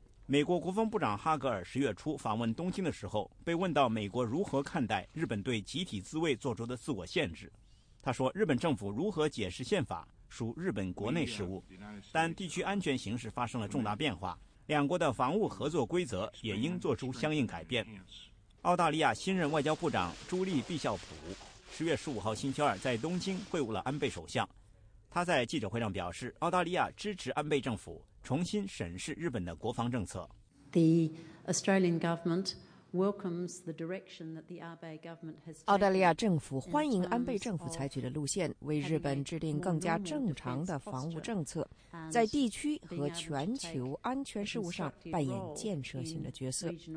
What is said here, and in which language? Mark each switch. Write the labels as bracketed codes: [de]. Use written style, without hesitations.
[zh] 美国国防部长哈格尔10月初访问东京的时候，被问到美国如何看待日本对集体自卫做出的自我限制，他说日本政府如何解释宪法属日本国内事务，但地区安全形势发生了重大变化，两国的防务合作规则也应做出相应改变。澳大利亚新任外交部长朱莉·毕肖普10月15号星期二在东京会晤了安倍首相，他在记者会上表示，澳大利亚支持安倍政府重新审视日本的国防政策。 [en] The Australian governmentWelcomes the direction that the Abe government has taken. [zh] 澳大利亚政府欢迎安倍政府采取的路线，为日本制定更加正常的防务政策，在地区和全球安全事务上扮演建设性的角色。